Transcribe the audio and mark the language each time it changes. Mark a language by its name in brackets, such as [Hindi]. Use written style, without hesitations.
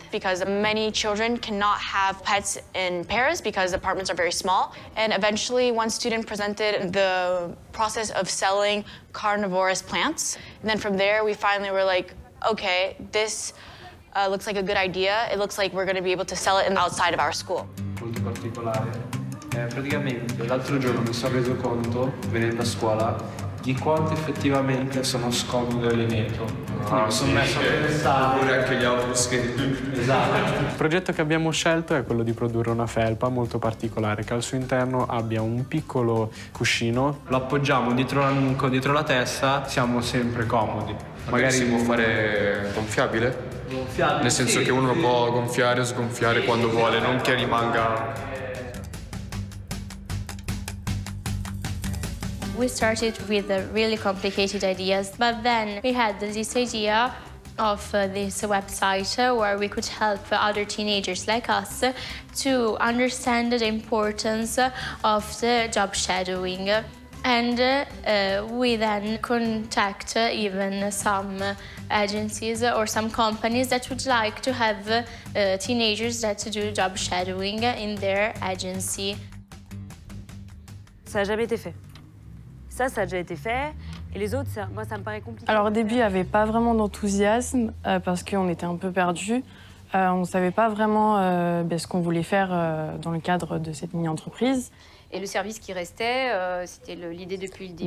[English] Because many children cannot have pets in Paris because apartments are very small. And eventually one student presented the process of selling carnivorous plants. And then from there, we finally were like, okay, this looks like a good idea. It looks like we're gonna be able to sell it in the outside of our school. [Italian] Molto particolare. Praticamente l'altro giorno mi sono reso conto, venendo a scuola, di quanto effettivamente sono scomodo il metro. Pure anche gli autobus che... Esatto. Il progetto che abbiamo scelto è quello di produrre una felpa molto particolare, che al suo interno abbia un piccolo cuscino. Lo appoggiamo dietro la nuca, dietro la testa, siamo sempre comodi. Magari si può fare gonfiabile? Gonfiabile, nel senso sì, che uno lo può gonfiare o sgonfiare quando vuole, non che rimanga... [English] We started with the really complicated ideas, but then we had this idea of this website where we could help other teenagers like us to understand the importance of the job shadowing. And we then contact even some agencies or some companies that would like to have teenagers that do job shadowing in their agency. [French] Ça a jamais été fait. Ça, ça a déjà été fait. Et les autres, ça, moi, ça me paraît compliqué. Alors, au début, il n'y avait pas vraiment d'enthousiasme parce qu'on était un peu perdus. On ne savait pas vraiment ce qu'on voulait faire dans le cadre de cette mini-entreprise. Et le service qui restait, c'était l'idée depuis le début.